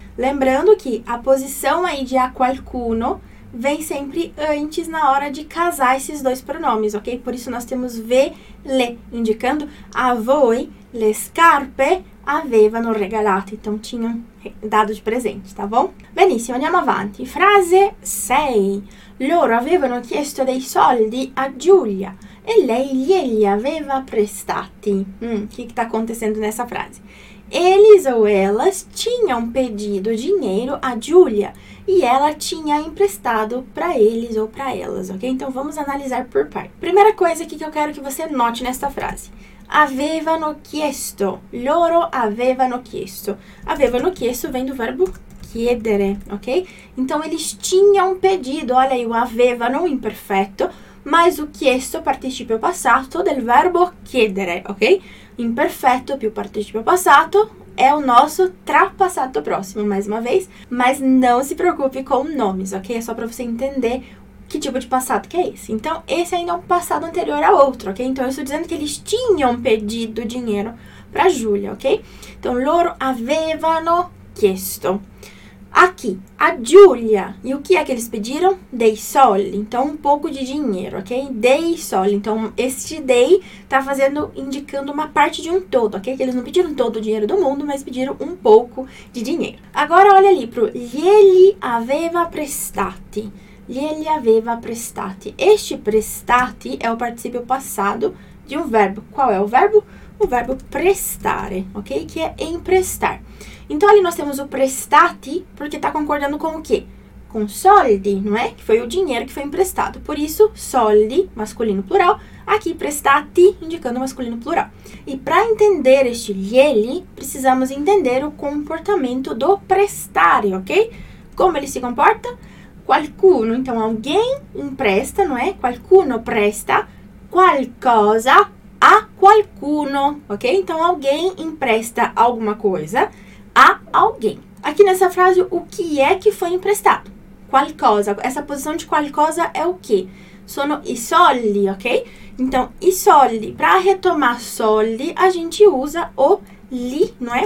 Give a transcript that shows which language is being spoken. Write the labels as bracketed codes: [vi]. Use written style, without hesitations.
[pt] Lembrando que a posição aí de a qualcuno vem sempre antes na hora de casar esses dois pronomes, ok? Por isso nós temos ve le, indicando [it] a voi le scarpe avevano regalate. [pt] Então, tinham dado de presente, tá bom? [it] Benissimo, andiamo avanti. [pt] Frase 6. [it] Loro avevano chiesto dei soldi a Giulia e lei glieli aveva prestati. [pt] Que tá acontecendo nessa frase? Eles ou elas tinham pedido dinheiro a Giulia e ela tinha emprestado para eles ou para elas, ok? Então, vamos analisar por parte. Primeira coisa aqui que eu quero que você note nesta frase. [it] Avevano chiesto. Loro avevano chiesto. [pt] Avevano chiesto vem do verbo chiedere, ok? Então, eles tinham pedido. Olha aí, o avevano, imperfeito, mas o chiesto, [it] participio passato, del verbo chiedere, [pt] ok? imperfeito, [it] più participio passato, [pt] é o nosso trapassado próximo, mais uma vez. Mas não se preocupe com nomes, ok? É só para você entender que tipo de passado que é esse. Então, esse ainda é um passado anterior a outro, ok? Então, eu estou dizendo que eles tinham pedido dinheiro para Julia, ok? Então, [it] loro avevano chiesto. [pt] Aqui, a Giulia. E o que é que eles pediram? Dei soli. Então, um pouco de dinheiro, ok? Dei soli. Então, este dei tá fazendo, indicando uma parte de um todo, ok? Que eles não pediram todo o dinheiro do mundo, mas pediram um pouco de dinheiro. Agora, olha ali pro [it] glieli aveva prestati. Glieli aveva prestati. [pt] Este prestati é o participio passado de um verbo. Qual é o verbo? O verbo prestare, ok? Que é emprestar. Então, ali nós temos o prestati, porque está concordando com o quê? Com soldi, não é? Que foi o dinheiro que foi emprestado. Por isso, soldi, masculino plural. Aqui, prestati, indicando masculino plural. E para entender este glieli, precisamos entender o comportamento do prestare, ok? Como ele se comporta? Qualcuno, então, alguém empresta, não é? [it] Qualcuno presta qualcosa a qualcuno, ok? [pt] Então, alguém empresta alguma coisa a alguém. Aqui nessa frase, o que é que foi emprestado? Qualcosa. Essa posição de qualcosa é o quê? [it] Sono i soldi, [pt] ok? Então, i soldi. Para retomar soldi, a gente usa o li, não é?